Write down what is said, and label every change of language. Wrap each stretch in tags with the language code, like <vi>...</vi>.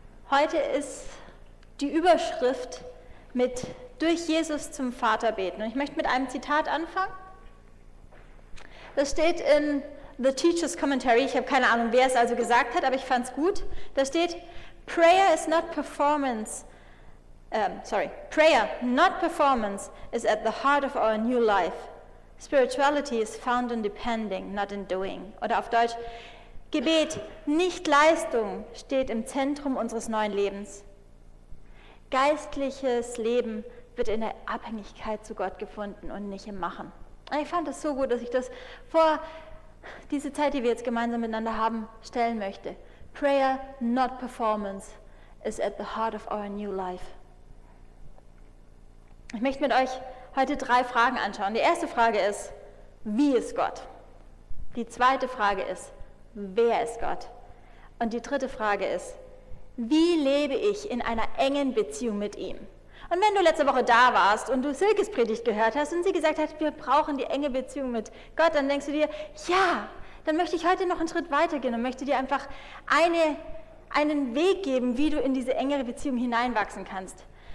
<de>Heute ist die Überschrift mit durch Jesus zum Vater beten und ich möchte mit einem Zitat anfangen. Das steht in The Teacher's Commentary, ich habe keine Ahnung, wer es also gesagt hat, aber ich fand es gut. Da steht,</de> <en>Prayer is not performance. Prayer, not performance, is at the heart of our new life. Spirituality is found in depending, not in doing.</en> <de>Oder auf Deutsch, Gebet, nicht Leistung, steht im Zentrum unseres neuen Lebens. Geistliches Leben wird in der Abhängigkeit zu Gott gefunden und nicht im Machen. Und ich fand das so gut, dass ich das vor diese Zeit, die wir jetzt gemeinsam miteinander haben, stellen möchte.</de> <en>Prayer, not performance, is at the heart of our new life.</en> <de>Ich möchte mit euch heute drei Fragen anschauen. Die erste Frage ist, wie ist Gott? Die zweite Frage ist, wer ist Gott? Und die dritte Frage ist, wie lebe ich in einer engen Beziehung mit ihm? Und wenn du letzte Woche da warst und du Silkes Predigt gehört hast und sie gesagt hat, wir brauchen die enge Beziehung mit Gott, dann denkst du dir, ja, dann möchte ich heute noch einen Schritt weitergehen und möchte dir einfach einen Weg geben, wie du in diese engere Beziehung hineinwachsen kannst.</de>